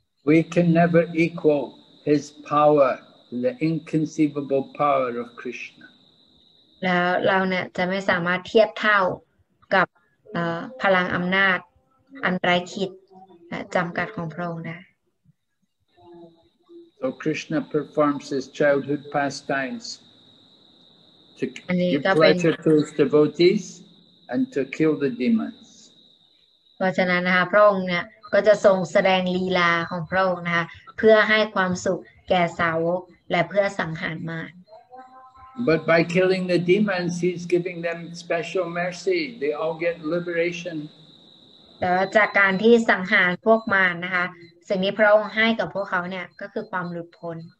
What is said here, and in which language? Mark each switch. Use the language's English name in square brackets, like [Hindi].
[English] We can never equal his power, the inconceivable power of Krishna. [Thai] แล้วเราเนี่ยจะไม่สามารถเทียบเท่ากับพลังอำนาจอันไร้ขีดจำกัดของพระองค์นะ [English] So Krishna performs his childhood pastimes to give pleasure to his devotees and to kill the demons. [Thai] เพราะฉะนั้นนะคะพระองค์เนี่ยก็จะทรงแสดงลีลาของพระองค์นะคะเพื่อให้ความสุขแก่สาวกและเพื่อสังหารมาร [English] But by killing the demons, he's giving them special mercy. They all get liberation. [Thai] แต่จากการที่สังหารพวกมารนะคะสิ่งนี้พระองค์ให้กับพวกเขาเนี่ยก็คือความหลุดพ้น